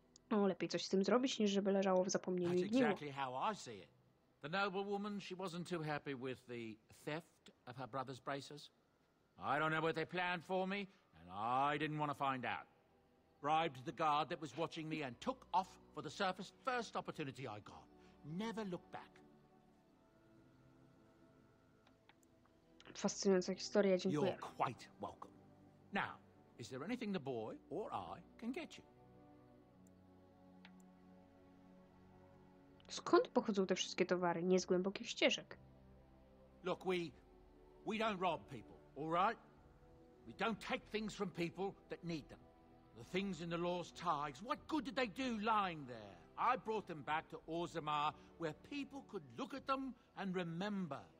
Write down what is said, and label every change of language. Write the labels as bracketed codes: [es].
[pl] No, lepiej coś z tym zrobić, niż żeby leżało w zapomnieniu. [en] That's exactly how I see it. The noble woman, she wasn't too happy with the theft of her brother's braces. I don't know what they planned for me, and I didn't want to find out. Bribed the guard that was watching me and took off for the surface first opportunity I got. Never looked back. [pl] Fascynująca historia, dziękuję. [en] You're quite welcome. Now, is there anything the boy or I can get you? [pl] Skąd pochodzą te wszystkie towary? Nie z głębokich ścieżek. [en] Look, we don't rob people, all right? We don't take things from people that need them. The things in the lost tigers, what good did they do lying there? I brought them back to Orzammar, where people could look at them and remember.